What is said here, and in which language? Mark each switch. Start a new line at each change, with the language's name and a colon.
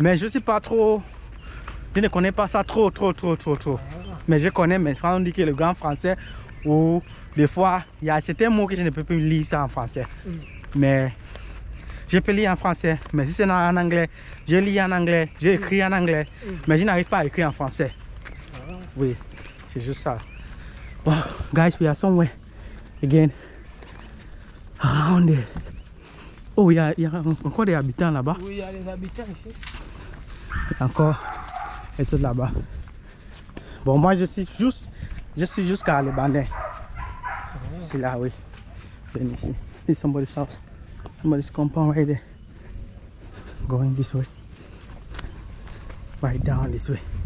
French: Mais je ne suis pas trop. Je ne connais pas ça trop. Mais je connais, mais quand on dit que le grand français, ou des fois, il y a certains mots que je ne peux plus lire ça en français. Mm-hmm. Mais je peux lire en français. Mais si c'est en anglais, je lis en anglais, j'écris en anglais. Mm-hmm. Mais je n'arrive pas à écrire en français. Oui, c'est juste ça.
English: Oh, guys, we are somewhere again around there.
French: Oh, il y a encore des habitants là-bas. Oui, il y a des habitants ici. Encore, elles sont là-bas. Bon, moi je suis juste car les bandes. C'est là, oui. Venez ici.
English: This is somebody's house. Somebody's compound right there. Going this way. Right down this way.